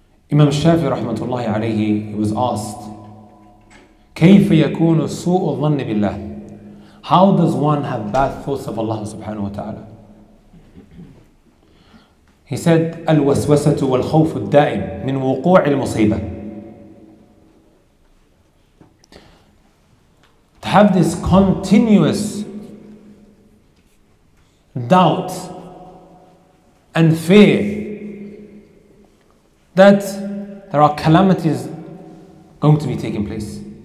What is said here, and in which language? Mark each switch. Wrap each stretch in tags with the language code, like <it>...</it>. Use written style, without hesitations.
<en>Imam Shafi'i rahmatullahi alayhi, he was asked,</en> <ar>كيف يكون سوء الظن بالله?</ar> <en>How does one have bad thoughts of Allah subhanahu wa ta'ala? He said,</en> <ar>الوسوسة والخوف الدائم من وقوع المصيبة.</ar> <en>Have this continuous doubt and fear that there are calamities going to be taking place.</en>